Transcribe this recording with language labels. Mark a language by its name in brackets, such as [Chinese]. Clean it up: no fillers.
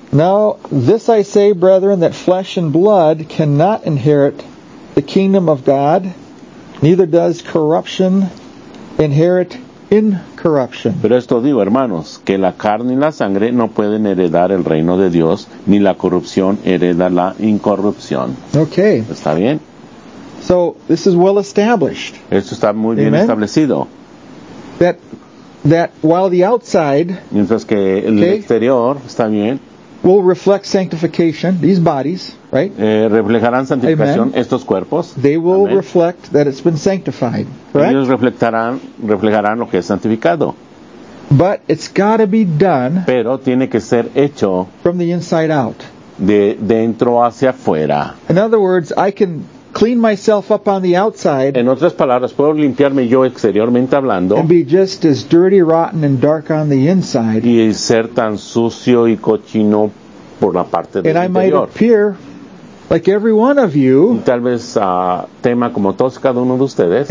[English] now this I say, brethren, that flesh and blood cannot inherit the kingdom of God, neither does corruption inherit incorruption. [Spanish] Pero esto digo, hermanos, que la carne y la sangre no pueden heredar el reino de Dios, ni la corrupción hereda la incorrupción. [English] Okay. [Spanish] ¿Está bien? [English] So, this is well established. [Spanish] Esto está muy bien [English] amen? [Spanish] Establecido. [English] That while the outside, [Spanish] mientras que el okay, exterior está bien, [English] will reflect sanctification, these bodies, right? [Spanish] Reflejarán santificación [English] amen. [Spanish] Estos cuerpos. [English] They will amen. Reflect that it's been sanctified, right? [Spanish] Ellos reflejarán lo que es santificado. [English] But it's got to be done [Spanish] pero tiene que ser hecho [English] from the inside out. [Spanish] De dentro hacia afuera. [English] In other words, I can clean myself up on the outside. [Spanish] En otras palabras, puedo limpiarme yo exteriormente hablando. [English] And be just as dirty, rotten, and dark on the inside. [Spanish] Y ser tan sucio y cochino por la parte del [English] and [Spanish] interior. [English] And I might appear like every one of you. [Spanish] Y tal vez tema como todos cada uno de ustedes.